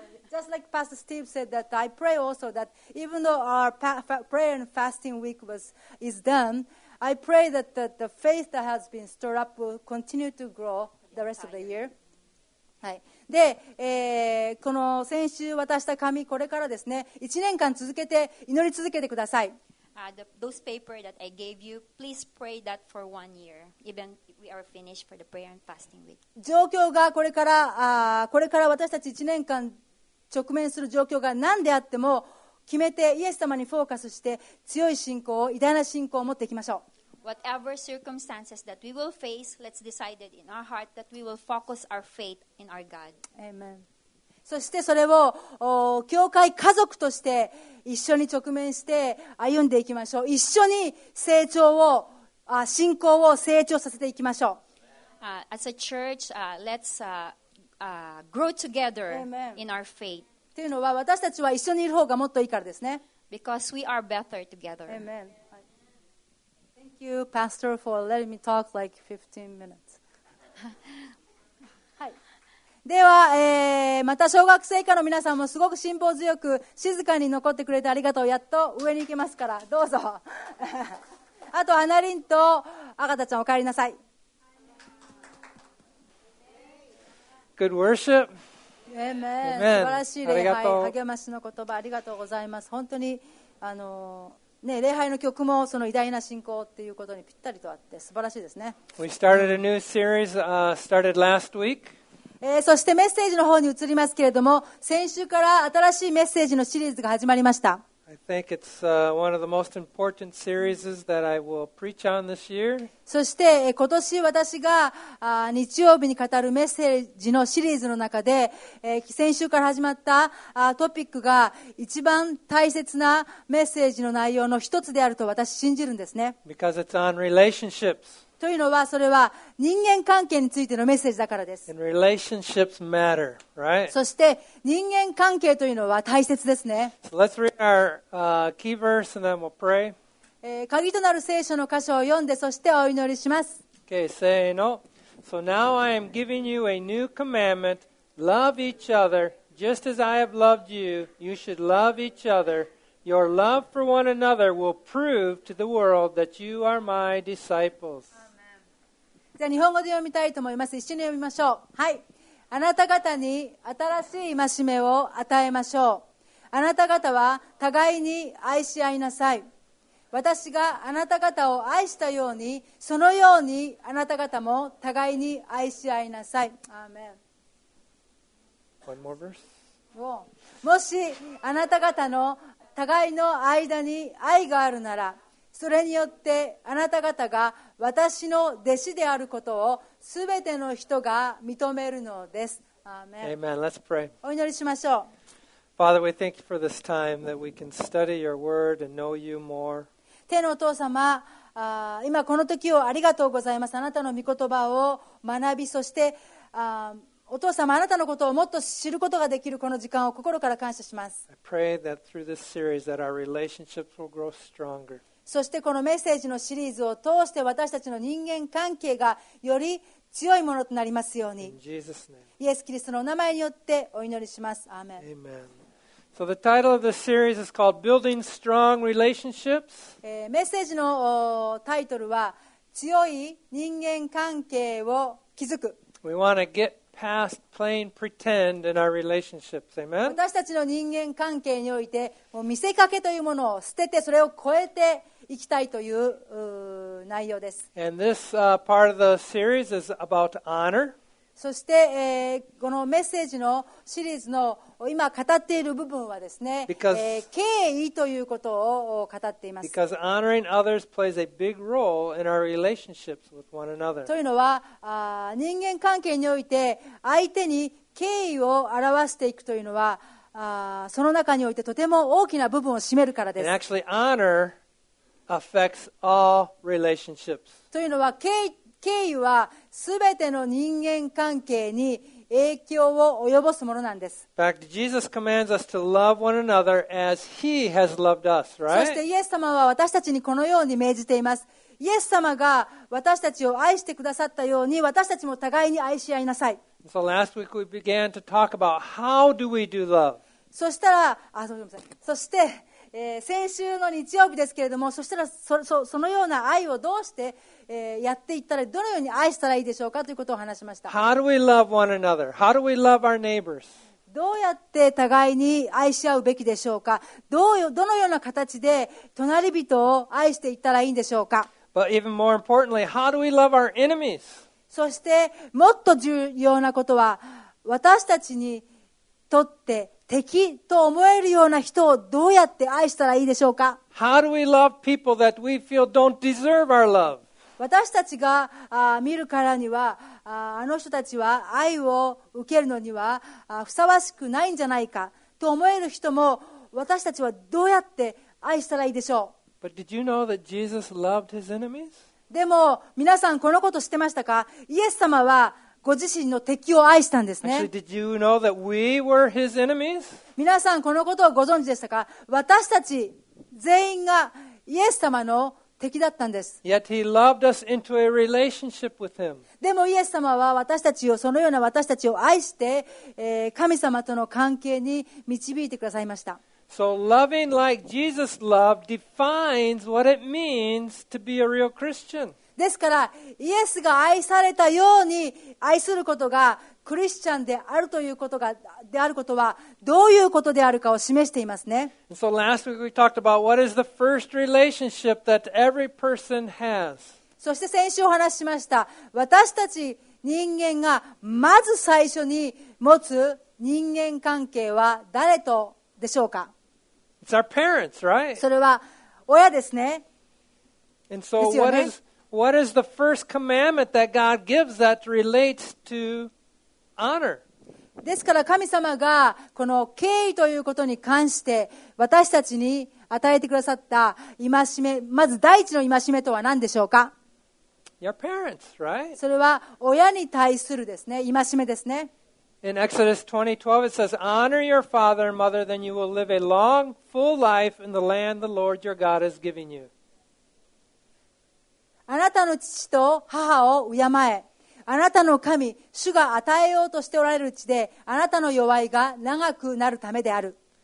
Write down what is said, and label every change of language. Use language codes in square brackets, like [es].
[en] Just like Pastor Steve said that I pray also that even though our prayer and fasting week is done, I pray that the faith that has been stirred up will continue to grow the rest of the year. [ja] はい。で、この先週渡した紙これからですね1年間続けて祈り続けてください。 [en] Those paper that I gave you, please pray that for one year, even we are finished for the prayer and fasting week. [ja] 状況がこれから私たち1年間直面する状況が何であっても決めてイエス様にフォーカスして強い信仰を偉大な信仰を持っていきましょう。 [en] Whatever circumstances that we will face, let's decide it in our heart that we will focus our faith in our God. Amen. [ja] そしてそれを教会家族として一緒に直面して歩んでいきましょう。一緒に成長を信仰を成長させていきましょう。 [en] as a church, let's grow together in our faith. [ja] というのは私たちは一緒にいる方がもっといいからですね。 [en] Because we are better together. Amen. Thank you, Pastor, for letting me talk like 15 minutes. [ja] はい。では、また小学生以下の皆さんもすごく辛抱強く静かに残ってくれてありがとう。やっと上に行けますから、どうぞ。あと、アナリンとアガタちゃん、お帰りなさい。 [en] Good worship. Amen. [ja] 素晴らしい礼拝、励ましの言葉ありがとうございます。本当にあの、ね、礼拝の曲もその偉大な信仰ということにぴったりとあって素晴らしいですね。 [en] We started a new series, started last week. [ja] そしてメッセージの方に移りますけれども、先週から新しいメッセージのシリーズが始まりました。 [en] I think it's one of the most important series that I will preach on this year. [ja] そして今年私が日曜日に語るメッセージのシリーズの中で先週から始まったトピックが一番大切なメッセージの内容の一つであると私信じるんですね。 [en] Because it's on relationships. [ja] というのはそれは人間関係についてのメッセージだからです。 [en] And relationships matter, right? [ja] そして人間関係というのは大切ですね。 [en] So let's read our, key verse and then we'll pray. [ja] 鍵となる聖書の箇所を読んでそしてお祈りします。 Okay, せーの。 [en] So now I am giving you a new commandment. Love each other just as I have loved you. You should love each other. Your love for one another will prove to the world that you are my disciples. [ja] じゃあ日本語で読みたいと思います。一緒に読みましょう。はい。あなた方に新しい戒めを与えましょう。あなた方は互いに愛し合いなさい。私があなた方を愛したように、そのようにあなた方も互いに愛し合いなさい。アーメン。 [en] One more verse. [ja] もしあなた方の互いの間に愛があるなら、それによってあなた方が私の弟子であることをすべての人が認めるのです。アーメン。 [en] Amen. Let's pray. [ja] お祈りしましょう。 [en] Father, we thank you for this time that we can study your word and know you more. [ja] 天のお父様、今この時をありがとうございます。あなたの御言葉を学び、そして、お父様、あなたのことをもっと知ることができるこの時間を心から感謝します。 [en] I pray that through this series that our relationships will grow stronger. [ja] そしてこのメッセージのシリーズを通して私たちの人間関係がより強いものとなりますように。イエス・キリストのお名前によってお祈りします。アーメン。 [en] Amen. So the title of this series is called Building Strong Relationships. [ja] メッセージのタイトルは強い人間関係を築く。 [en] We want to get past playing pretend in our relationships. Amen. [ja] 私たちの人間関係においてもう見せかけというものを捨ててそれを超えて行きたいという内容です。 [en] And this, part of the series is about honor. [ja] そして、このメッセージのシリーズの今語っている部分はですね、敬意ということを語っています。 [en] Because honoring others plays a big role in our relationships with one another. [ja] というのは、人間関係において相手に敬意を表していくというのは、その中においてとても大きな部分を占めるからです。 [en] And actually, honor affects all relationships. [ja] というのは敬意は全ての人間関係に影響を及ぼすものなんです。 [en] In fact, Jesus commands us to love one another as he has loved us, right? [ja] そしてイエス様は私たちにこのように命じています。イエス様が私たちを愛してくださったように私たちも互いに愛し合いなさい。 [en] So last week we began to talk about how do we do love? [ja] そしたら、そして、先週の日曜日ですけれども、そしたら そのような愛をどうして、やっていったらどのように愛したらいいでしょうかということを話しました。 [en] How do we love one another? How do we love our neighbors? [ja] どうやって互いに愛し合うべきでしょうか。どのような形で隣人を愛していったらいいんでしょうか。 [en] But even more importantly, how do we love our enemies? [ja] そしてもっと重要なことは私たちにとって敵と思えるような人をどうやって愛したらいいでしょうか。 [en] How do we love people that we feel don't deserve our love? [ja] 私たちが見るからにはあの人たちは愛を受けるのにはふさわしくないんじゃないかと思える人も私たちはどうやって愛したらいいでしょう。 [en] But did you know that Jesus loved his enemies? [ja] でも皆さんこのこと知ってましたか？イエス様はご自身の敵を愛したんですね。 [en] Actually, did you know that we were his enemies? [ja] 皆さんこのことをご存知でしたか？私たち全員がイエス様の敵だったんです。 [en] Yet he loved us into a relationship with him. [ja] でもイエス様は私たちをそのような私たちを愛して、神様との関係に導いてくださいました。 [en] So loving like Jesus loved defines what it means to be a real Christian. [ja] ですからイエスが愛されたように愛することがクリスチャンであるということがであることはどういうことであるかを示していますね。 [en] So last week we talked about what is the first relationship that every person has. [ja] そして先週お話ししました。私たち人間がまず最初に持つ人間関係は誰とでしょうか。 [en] It's our parents, right? [ja] それは親ですね。 [en] And so what is the first commandment that God gives that relates to honor? [ja] ですから神様がこの敬意ということに関して私たちに与えてくださった戒め、まず第一の戒めとは何でしょうか。 [en] Your parents, right? [ja] それは親に対するですね、戒めですね。 [en] In Exodus 20:12, it says, "Honor your father and mother, then you will live a long, full life in the land the Lord your God is giving you." [ja] あなたの父と母を敬え。あなたの神、主が与えようとしておられるうちで、あなたの弱いが長くなるためである。